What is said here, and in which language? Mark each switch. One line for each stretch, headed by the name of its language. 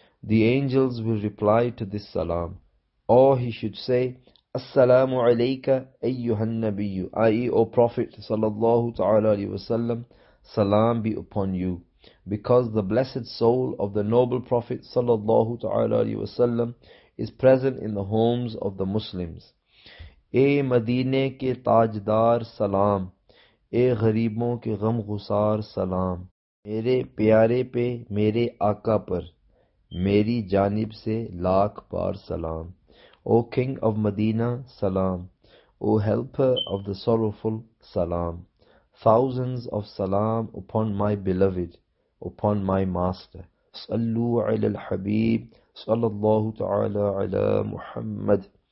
English: The angels will reply to this salam. Or he should say, "Assalamu alayka ayyuhan nabiyyu," i.e. O Prophet sallallahu ta'ala alayhi wa sallam, salam be upon you. because the blessed soul of the noble Prophet sallallahu ta'ala alayhi wa sallam is present in the homes of the Muslims.
Urdu: اے مدینے کے تاجدار سلام، اے غریبوں کے غم غسار سلام، میرے پیارے پہ میرے آقا پر میری جانب سے لاکھ بار سلام.
English: O King of Medina, سلام. O Helper of the Sorrowful, سلام. Thousands of سلام upon my beloved, upon my master.
Arabic: صلو علی الحبیب صل اللہ تعالی علی محمد.